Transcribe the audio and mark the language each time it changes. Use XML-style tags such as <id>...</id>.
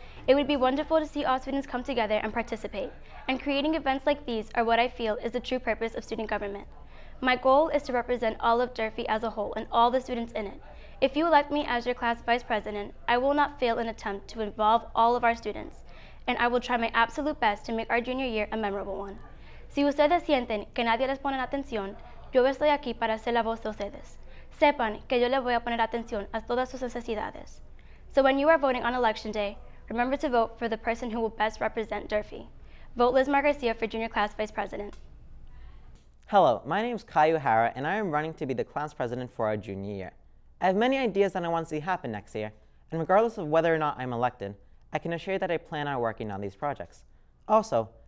<en>It would be wonderful to see all students come together and participate, and creating events like these are what I feel is the true purpose of student government. My goal is to represent all of Durfee as a whole and all the students in it. If you elect me as your class vice president, I will not fail an attempt to involve all of our students, and I will try my absolute best to make our junior year a memorable one.</en> <es>Si ustedes sienten que nadie les pone atención, yo estoy aquí para ser la voz de ustedes. Sepan que yo le voy a poner atención a todas sus necesidades.</es> <en>So when you are voting on election day, remember to vote for the person who will best represent Durfee. Vote Lismar Garcia for junior class vice president. Hello, my name is Kai Uhara, and I am running to be the class president for our junior year. I have many ideas that I want to see happen next year, and regardless of whether or not I'm elected, I can assure you that I plan on working on these projects. Also,</en>